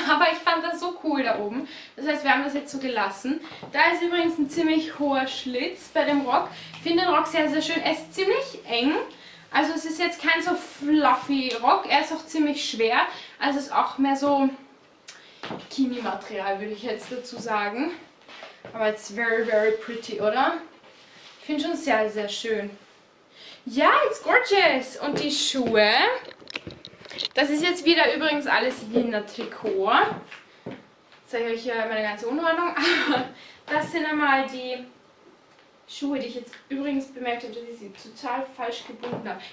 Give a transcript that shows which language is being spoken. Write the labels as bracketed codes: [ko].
[de] Aber ich fand das so cool da oben. Das heißt, wir haben das jetzt so gelassen. Da ist übrigens ein ziemlich hoher Schlitz bei dem Rock. Ich finde den Rock sehr, sehr schön. Er ist ziemlich eng. Also es ist jetzt kein so fluffy Rock, er ist auch ziemlich schwer, also es ist auch mehr so Bikini-Material, würde ich jetzt dazu sagen. Aber [en] it's very, very pretty, [de] oder? Ich finde schon sehr, sehr schön. Ja, [en] it's gorgeous! [de] Und die Schuhe, das ist jetzt wieder übrigens alles Wiener Trikot. Jetzt zeige ich euch hier meine ganze Unordnung, aber das sind einmal die Schuhe, die ich jetzt übrigens bemerkt habe, dass ich sie total falsch gebunden habe.